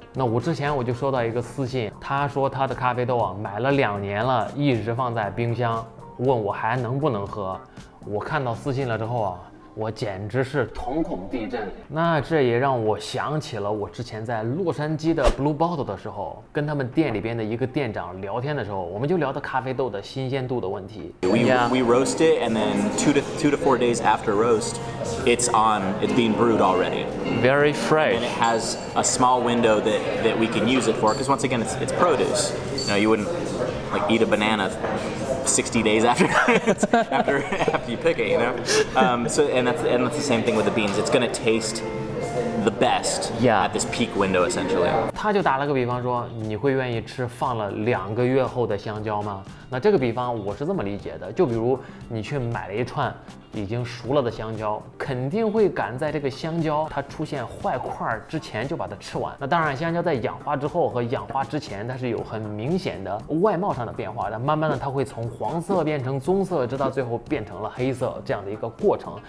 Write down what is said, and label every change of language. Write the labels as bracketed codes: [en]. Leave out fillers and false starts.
[zh] 那我之前我就收到一个私信，他说他的咖啡豆啊买了两年了，一直放在冰箱，问我还能不能喝。我看到私信了之后啊，我简直是瞳孔地震。那这也让我想起了我之前在洛杉矶的 Blue Bottle 的时候，跟他们店里边的一个店长聊天的时候，我们就聊到咖啡豆的新鲜度的问题。 [en] We roast it, and then two to four days after roast, it's being brewed already. Very fresh. And it has a small window that we can use it for, because once again, it's produce. You know, you wouldn't like eat a banana. 60 days after you pick it, you know? So that's the same thing with the beans. It's gonna taste the best at this peak window, essentially. [zh] 他就打了个比方说，你会愿意吃放了两个月后的香蕉吗？那这个比方我是这么理解的，就比如你去买了一串已经熟了的香蕉，肯定会赶在这个香蕉它出现坏块之前就把它吃完。那当然，香蕉在氧化之后和氧化之前，它是有很明显的外貌上的变化的，慢慢的它会从黄色变成棕色，直到最后变成了黑色这样的一个过程。